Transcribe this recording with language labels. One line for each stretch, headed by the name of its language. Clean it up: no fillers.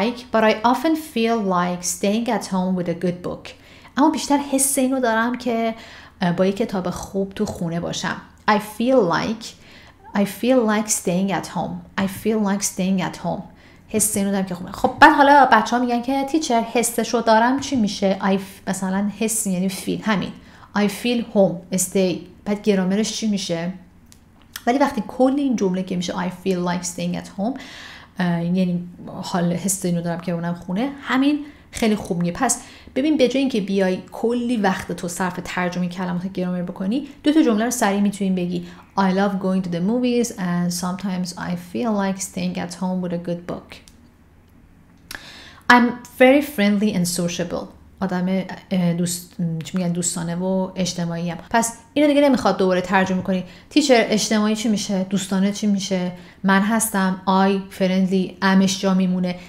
English: But I often feel like staying at home with a good book.
Persian: اما بیشتر حس اینو دارم که با یک کتاب خوب تو خونه باشم.
English: I feel like staying at home.
Persian: حس اینو دارم که خوبه. خب بعد حالا بچه ها میگن که تیچر حسشو دارم چی میشه؟ مثلا حس یعنی feel، همین.
English: I feel home، stay.
Persian: بعد گرامرش چی میشه؟ ولی وقتی کل این جمله که میشه
English: I feel like staying at home،
Persian: یعنی حال حس اینو دارم که اونم خونه، همین خیلی خوب میگه. پس ببین به جای اینکه بیای کلی وقت تو صرف ترجمه کلمات گرامر بکنی، دو تا جمله رو سریع میتونی بگی.
English: I love going to the movies and sometimes I feel like staying at home with a good book. I'm very friendly and sociable.
Persian: آدم دوست، چی میگن، دوستانه و اجتماعی هم. پس اینو دیگه نمیخواد دوباره ترجمه کنی. تیچر اجتماعی چی میشه؟ دوستانه چی میشه؟ من هستم،
English: I friendly،
Persian: امش جا میمونه.